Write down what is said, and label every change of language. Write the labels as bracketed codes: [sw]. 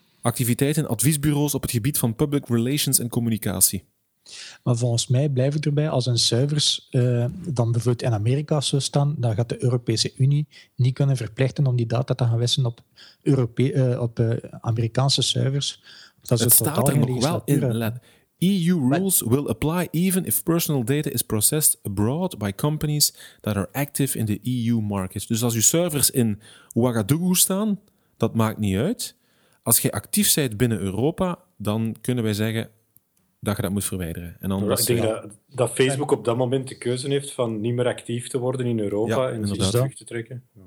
[nl] Activiteiten en adviesbureaus op het gebied van public relations en communicatie. Maar volgens mij blijf ik erbij, als een cijfers dan bijvoorbeeld in Amerika zou staan, dan gaat de Europese Unie niet kunnen verplichten om die data te gaan wissen op Amerikaanse cijfers. Dat het staat er nog wel in. [en] EU rules will apply even if personal data is processed abroad by companies that are active in the EU market. [nl] Dus als je servers in Ouagadougou staan, dat maakt niet uit. Als je actief bent binnen Europa, dan kunnen wij zeggen dat je dat moet verwijderen. En anders, ik denk dat Facebook op dat moment de keuze heeft van niet meer actief te worden in Europa en zich terug te trekken.